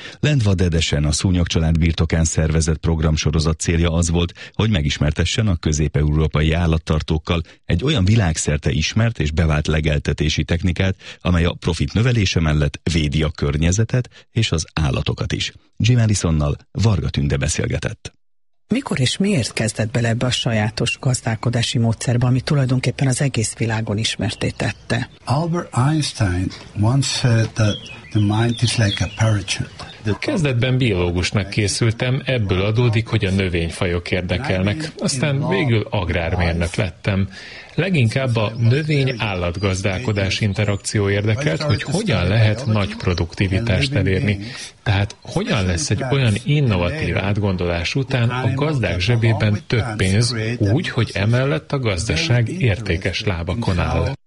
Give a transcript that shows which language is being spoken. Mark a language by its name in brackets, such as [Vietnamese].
[Hungarian] Lendva Dedesen a Szúnyog család birtokán szervezett programsorozat célja az volt, hogy megismertessen a közép-európai állattartókkal egy olyan világszerte ismert és bevált legeltetési technikát, amely a profit növelése mellett védi a környezetet és az állatokat is. Jim Allisonnal Varga Tünde beszélgetett. Mikor és miért kezdett bele ebbe a sajátos gazdálkodási módszerbe, ami tulajdonképpen az egész világon ismertté tette? [English] Albert Einstein once said that the mind is like a parachute. [Hungarian] Kezdetben biológusnak készültem, ebből adódik, hogy a növényfajok érdekelnek. Aztán végül agrármérnök lettem. Leginkább a növény-állatgazdálkodás interakció érdekelt, hogy hogyan lehet nagy produktivitást elérni. Tehát hogyan lesz egy olyan innovatív átgondolás után a gazdák zsebében több pénz, úgy, hogy emellett a gazdaság értékes lábakon áll.